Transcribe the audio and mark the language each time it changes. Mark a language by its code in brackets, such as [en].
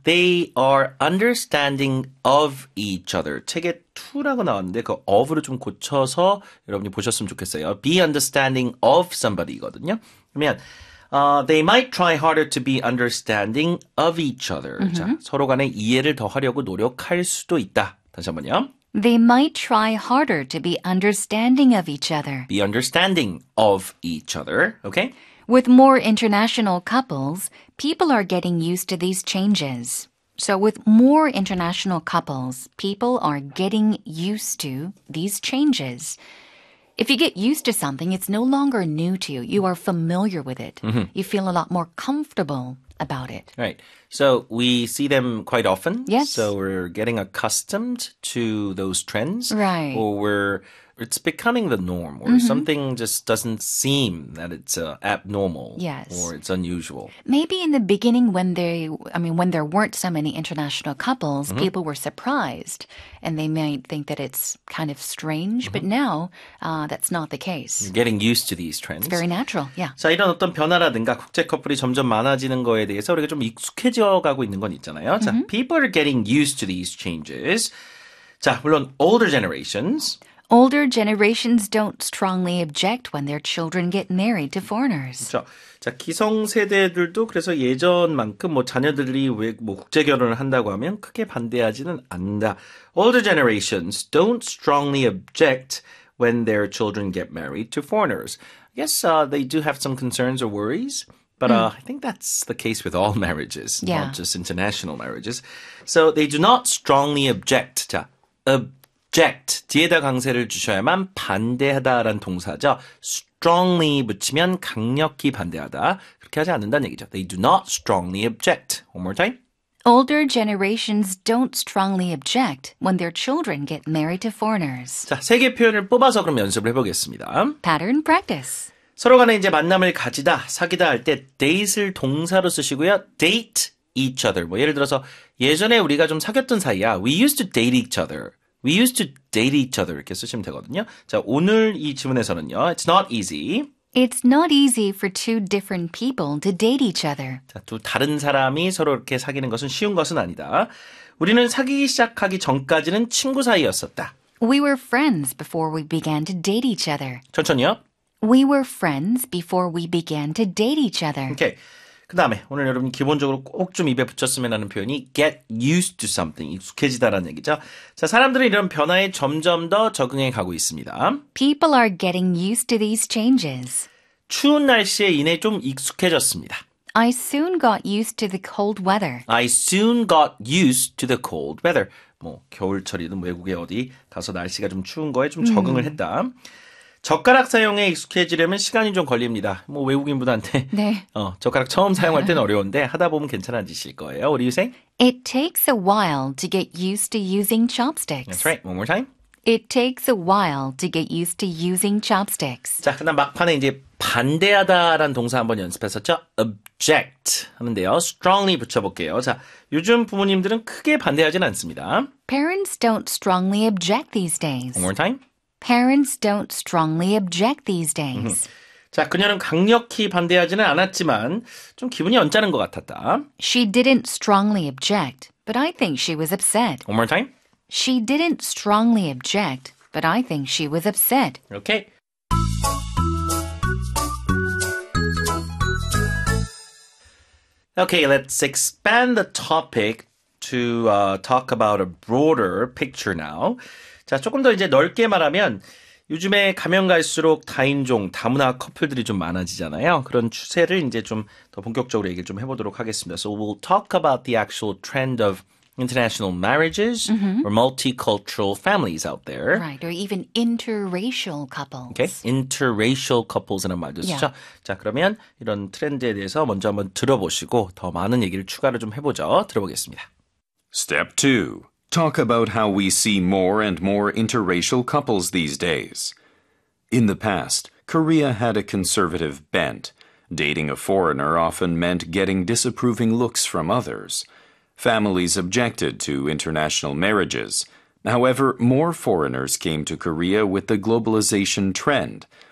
[en] They are understanding of each other. [ko] 책에 to라고 나왔는데 그 of를 좀 고쳐서 여러분이 보셨으면 좋겠어요. [en] Be understanding of somebody [ko] 거든요. 그러면 [en] they might try harder to be understanding of each other. Mm-hmm. [ko] 자, 서로 간에 이해를 더 하려고 노력할 수도 있다. 다시 한번요. [en] They might try harder to be understanding of each other. Be understanding of each other. Okay? With more international couples, people are getting used to these changes. So with more international couples, people are getting used to these changes. If you get used to something, it's no longer new to you. You are familiar with it. Mm-hmm. You feel a lot more comfortable about it. Right. So we see them quite often. Yes. So we're getting accustomed to those trends. Right. Or we're... It's becoming the norm, or mm-hmm. something just doesn't seem that it's abnormal, yes. or it's unusual. Maybe in the beginning when when there weren't so many international couples, mm-hmm. people were surprised, and they might think that it's kind of strange, mm-hmm. but now that's not the case. You're getting used to these trends. It's very natural, yeah. [ko] 자, 이런 어떤 변화라든가 국제 커플이 점점 많아지는 거에 대해서 우리가 좀 익숙해져가고 있는 건 있잖아요. 자, mm-hmm. [en] people are getting used to these changes. [ko] 자, 물론 [en] older generations... Older generations don't strongly object when their children get married to foreigners. [ko] 자, 기성세대들도 그래서 예전만큼 뭐 자녀들이 왜뭐 국제 결혼을 한다고 하면 크게 반대하지는 않는다. [en] Older generations don't strongly object when their children get married to foreigners. Yes, they do have some concerns or worries, but I think that's the case with all marriages, not just international marriages. So they do not strongly object. [ko] 자, object 뒤에다 강세를 주셔야만 반대하다라는 동사죠. Strongly 붙이면 강력히 반대하다. 그렇게 하지 않는다는 얘기죠. [en] They do not strongly object. One more time. Older generations don't strongly object when their children get married to foreigners. [ko] 자, 세 개 표현을 뽑아서 그럼 연습을 해보겠습니다. [en] Pattern practice. [ko] 서로 간에 이제 만남을 가지다, 사귀다 할 때 date을 동사로 쓰시고요. [en] Date each other. [ko] 뭐 예를 들어서 예전에 우리가 좀 사귀었던 사이야. [en] We used to date each other. We used to date each other. [ko] 이렇게 쓰시면 되거든요. 자, 오늘 이 질문에서는요. [en] It's not easy. It's not easy for two different people to date each other. [ko] 자, 두 다른 사람이 서로 이렇게 사귀는 것은 쉬운 것은 아니다. 우리는 사귀기 시작하기 전까지는 친구 사이였었다. [en] We were friends before we began to date each other. [ko] 천천히요. [en] We were friends before we began to date each other. [ko] 오케이. 그 다음에 오늘 여러분 기본적으로 꼭 좀 입에 붙였으면 하는 표현이 [en] get used to something, [ko] 익숙해지다라는 얘기죠. 자, 사람들은 이런 변화에 점점 더 적응해 가고 있습니다. [en] People are getting used to these changes. [ko] 추운 날씨에 인해 좀 익숙해졌습니다. [en] I soon got used to the cold weather. I soon got used to the cold weather. [ko] 뭐 겨울철이든 외국에 어디 가서 날씨가 좀 추운 거에 좀 적응을 했다. 젓가락 사용에 익숙해지려면 시간이 좀 걸립니다. 뭐 외국인분한테 네. 젓가락 처음 사용할 때는 어려운데 하다 보면 괜찮아지실 거예요. [en] What do you say? It takes a while to get used to using chopsticks. That's right. One more time. It takes a while to get used to using chopsticks. [ko] 자, 그다음 막판에 이제 반대하다라는 동사 한번 연습했었죠. Object 하는데요. Strongly 붙여볼게요. 자, 요즘 부모님들은 크게 반대하지는 않습니다. [en] Parents don't strongly object these days. One more time. Parents don't strongly object these days. [ko] 자, 그녀는 강력히 반대하지는 않았지만 좀 기분이 언짢은 것 같았다. [en] She didn't strongly object, but I think she was upset. One more time. She didn't strongly object, but I think she was upset. Okay. 오케이, let's expand the topic to talk about a broader picture now. [ko] 자, 조금 더 이제 넓게 말하면 요즘에 가면 갈수록 다인종, 다문화 커플들이 좀 많아지잖아요. 그런 추세를 이제 좀 더 본격적으로 얘기를 좀 해보도록 하겠습니다. [en] So we'll talk about the actual trend of international marriages or multicultural families out there. Right, or even interracial couples. [ko] Okay, interracial couples라는 말도 쓰죠. Yeah. 자, 그러면 이런 트렌드에 대해서 먼저 한번 들어보시고 더 많은 얘기를 추가를 좀 해보죠. 들어보겠습니다. [en] Step 2. Talk about how we see more and more interracial couples these days. In the past, Korea had a conservative bent. Dating a foreigner often meant getting disapproving looks from others. Families objected to international marriages. However, more foreigners came to Korea with the globalization trend.